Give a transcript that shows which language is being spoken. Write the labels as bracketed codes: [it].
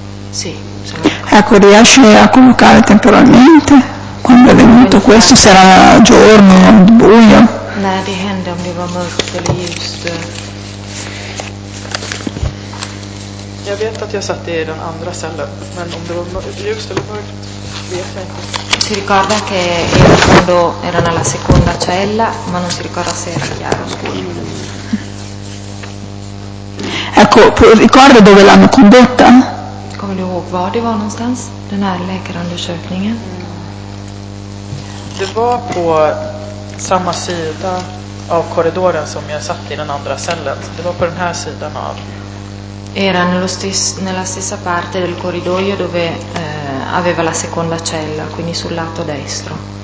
[it] Sì. Ecco, riesce a collocare temporalmente? Quando è venuto questo, sarà giorno, buio? [sv] Nej, det hände om det var mörkt eller ljust. Jag vet att jag satt i den andra cellen, men om det var ljust eller mörkt vet jag inte. [it] Si ricorda che era quando era nella seconda cella, ma non si ricorda se era chiaro o scuro. Ecco, ricorda dove l'hanno condotta? [sv] Come du ihåg var det var någonstans, den här läkarundersökningen? Det var på samma sida av korridoren som jag satt i den andra cellen. Det var på den här sidan av. [it] Era nella stessa parte del corridoio dove aveva la seconda cella, quindi sul lato destro.